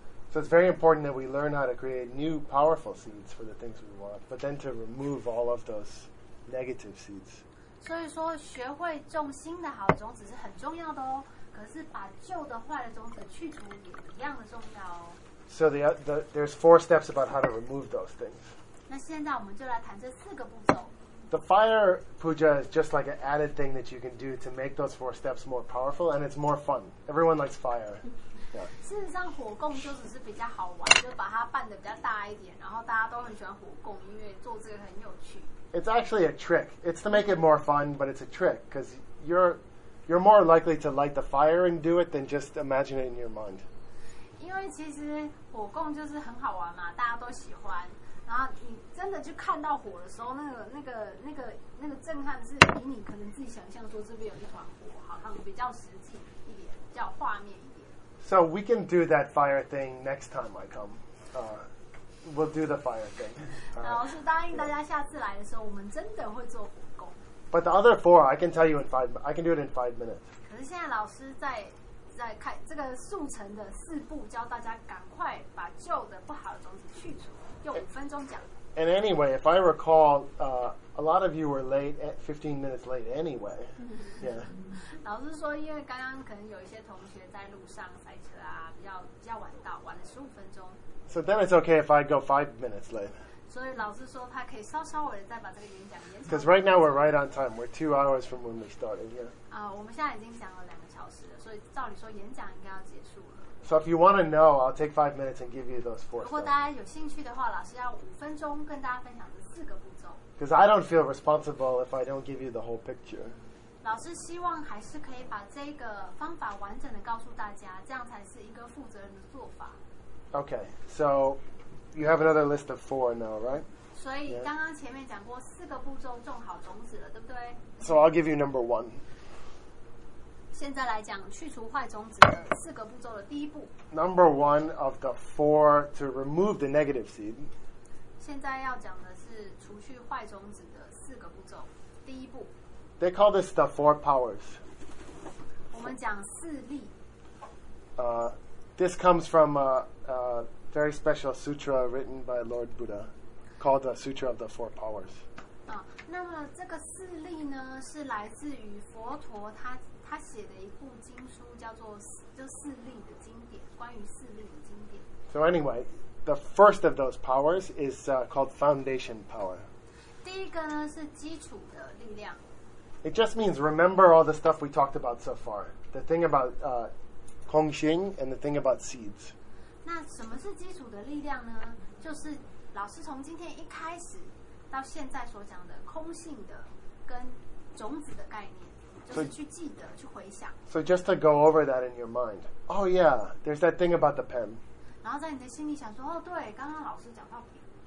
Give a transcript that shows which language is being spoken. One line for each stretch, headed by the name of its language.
English: So it's very important that we learn how to create new powerful seeds for the things we want, but then to remove all of those negative seeds.
Chinese: 所以说学会种新的好种子是很重要的哦，可是把旧的坏的种子去除也一样的重要哦。
English: So there's four steps about how to remove those things.
Chinese: 那现在我们就来谈这四个步骤。
English: The fire puja is just like an added thing that you can do to make those four steps more powerful, and it's more fun. Everyone likes fire. Yeah.
Chinese: 事实上火供就只是比较好玩，就把它办得比较大一点，然后大家都很喜欢火供，因为做这个很有趣。
English: It's actually a trick. It's to make it more fun, but it's a trick, because you're more likely to light the fire and do it than just imagine it in your mind.
Chinese: 因为其实火供就是很好玩嘛，大家都喜欢。然后你真的去看到火的时候，那个震撼是比你可能自己想象说这边有一团火，好像比较实际一点，比较画面一点。
English: So we can do that fire thing next time I come. We'll do the fire thing.
Chinese: 老师答应大家下次来的时候，我们真的会做火供。
English: But the other four, I can tell you in five, I can do it in 5 minutes.
Chinese: 可是现在老师在开这个速成的四步，教大家赶快把旧的不好的种子去除，用五分钟讲。
English: And anyway, if I recall, a lot of you were late, 15 minutes late anyway. Yeah.
Chinese: 老师说，因为刚刚可能有一些同学在路上塞车啊，比较晚到，晚了15分钟。
English: So then it's okay if I go 5 minutes late.
Chinese: 所以老师说他可以稍稍微再把这个演讲延长。
English: Because right now we're right on time. We're 2 hours from when we started. Yeah.
Chinese: 我们现在已经讲了两个小时了，所以照理说演讲应该要结束了。
English: So if you want to know, I'll take 5 minutes and give you those four.
Chinese: 如果大家有兴趣的话，老师要五分钟跟大家分享这四个步骤。
English: Because I don't feel responsible if I don't give you the whole picture.
Chinese: 老师希望还是可以把这个方法完整的告诉大家，这样才是一个负责任的做法。
English: Okay, so you have another list of four now, right?
Chinese: 所以刚刚前面讲过四个步骤种好种子了，对不对？
English: So I'll give you number one.
Chinese: 现在来讲去除坏种子的四个步骤的第一步。
English: Number one of the four to remove the negative seed.
Chinese: 现在要讲的是除去坏种子的四个步骤，第一步。
English: They call this the four powers.
Chinese: 我们讲四力。
English: This comes from a very special sutra written by Lord Buddha, called the Sutra of the Four Powers.
Chinese: 那么这个四力呢，是来自于佛陀他写的一部经书，叫做四力的经典，关于四力的经典。
English: So anyway, the first of those powers is called foundation power.
Chinese: 第一个呢是基础的力量。
English: It just means remember all the stuff we talked about so far. The thing about kong xing and the thing about seeds.
Chinese: 那什么是基础的力量呢？就是老师从今天一开始到现在所讲的空性的跟种子的概念。
English: So,
Chinese: 就是去记得，去回想。
English: So just to go over that in your mind. Oh yeah, there's that thing about the pen.
Chinese: 然后在你的心里想说，哦，对，刚刚老师讲到笔。